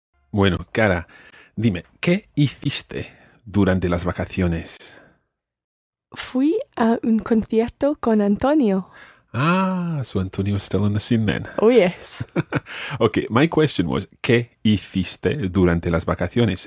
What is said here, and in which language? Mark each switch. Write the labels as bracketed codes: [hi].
[es] Bueno, cara, dime, ¿qué hiciste durante las vacaciones? Fui a un concierto con Antonio. [en] Ah, so Antonio's still on the scene then. Oh, yes. Okay, my question was, [es] ¿qué hiciste durante las vacaciones?